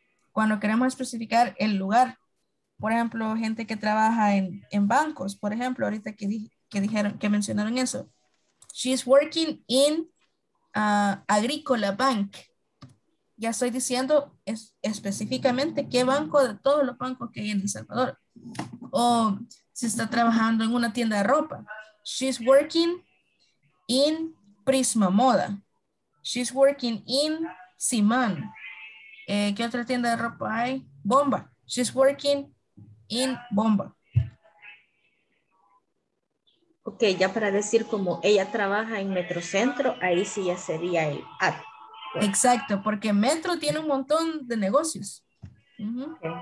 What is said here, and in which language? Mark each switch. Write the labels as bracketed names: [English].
[Spanish] Cuando queremos especificar el lugar, por ejemplo, gente que trabaja en bancos, por ejemplo, ahorita que mencionaron eso, [English] she's working in Agricola Bank. [Spanish] Ya estoy diciendo específicamente qué banco de todos los bancos que hay en El Salvador. O si está trabajando en una tienda de ropa. [English] She's working in Prisma Moda. She's working in Simán. [Spanish] ¿Qué otra tienda de ropa hay? [English] Bomba. She's working in Bomba. [Spanish] Ok, ya para decir como ella trabaja en Metrocentro, ahí sí ya sería el at. Exacto, porque Metro tiene un montón de negocios. Uh-huh.